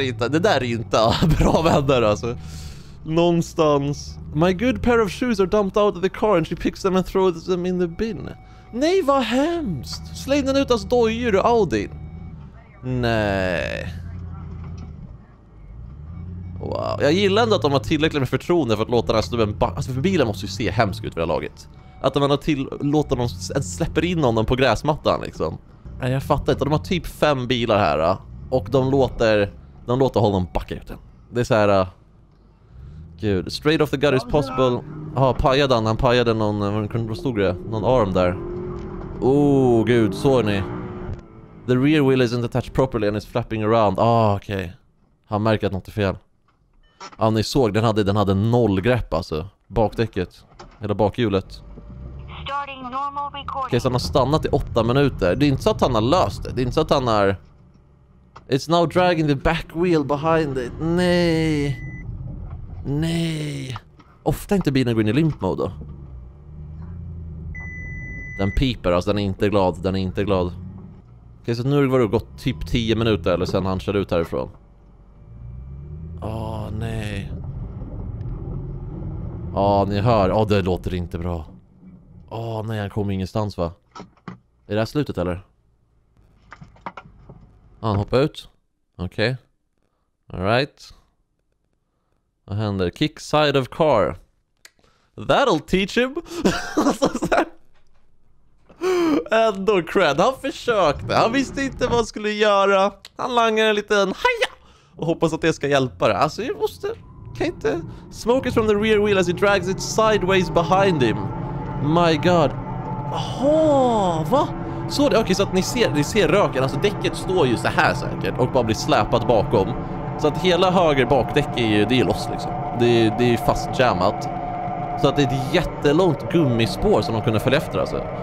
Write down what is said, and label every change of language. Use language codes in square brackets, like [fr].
[sv] Det där är inte bra vänner, alltså. Någonstans. [en] My good pair of shoes are dumped out of the car and she picks them and throws them in the bin. [sv] Nej, vad hemskt. Släng den ut hans dojur och Audi. Nej. Wow. Jag gillar ändå att de har tillräckligt med förtroende för att låta den här snubben... Alltså, för bilen måste ju se hemskt ut vid det laget. Att de ändå låter dem släpper in honom på gräsmattan, liksom. Nej, jag fattar inte. De har typ 5 bilar här, och de låter honom backa ut den. Det är så här... Gud. [en] Straight off the gut is possible. [sv] Ja, pajade han. Han pajade någon... Vad stod det? Någon arm där. Oh gud, såg ni? [en] The rear wheel isn't attached properly and is flapping around. [sv] Ah, okej. Okay. Han märker att något är fel. Ah, ni såg, den hade noll grepp alltså. Bakdäcket. Hela bakhjulet. Okej, okay, så han har stannat i 8 minuter. Det är inte så att han har löst det. Det är inte så att han är... [en] It's now dragging the back wheel behind it. [sv] Nej. Nej. Ofta inte bilen går in i limp mode då. Den piper, alltså den är inte glad. Den är inte glad. Okej, okay, så nu har det gått typ 10 minuter eller sen han kör ut härifrån. Åh, nej. Ja, ni hör. Ja, det låter inte bra. Åh, nej, han kommer ingenstans va? Är det här slutet eller? Han hoppar ut. Okej. [en] Okay. All right. [sv] Vad händer? [en] Kick side of car. That'll teach him. [sv] Ändå cred. Han försökte. Han visste inte vad han skulle göra. Han langar en liten haja. Och hoppas att det ska hjälpa det. Alltså, jag måste... Kan inte... [en] Smoke it from the rear wheel as he drags it sideways behind him. My god. [sv] Aha, va? Så det, okej, okay, så att ni ser röken. Alltså, däcket står ju så här säkert. Och bara blir släpat bakom. Så att hela höger bakdäck är ju... Det är loss liksom. Det är ju fastjammat. Så att det är ett jättelångt gummispår som de kunde följa efter alltså.